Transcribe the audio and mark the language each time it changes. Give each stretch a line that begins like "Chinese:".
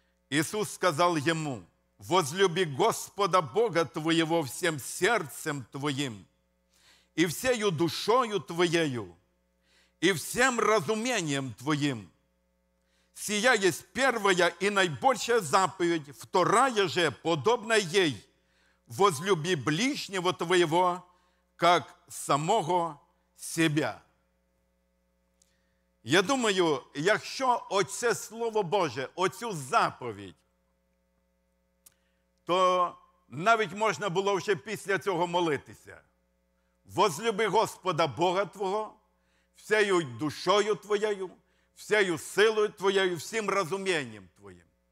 Ukrainian: Ісус сказав йому: «Возлюби Господа Бога твоєго всім серцем твоїм і всею душою твоєю і всім розумінням твоїм. Сія є перша і найбільша заповідь,
Russian: вторая же
Ukrainian: подобна їй.
Russian: Возлюби ближнего твоего, как самого себя».
Ukrainian: Я думаю, якщо оце Слово Боже, оцю заповідь, то навіть можна було вже після цього молитися. Возлюби Господа Бога твого всею душою твоєю, всею силою твоєю, всім розумінням твоїм.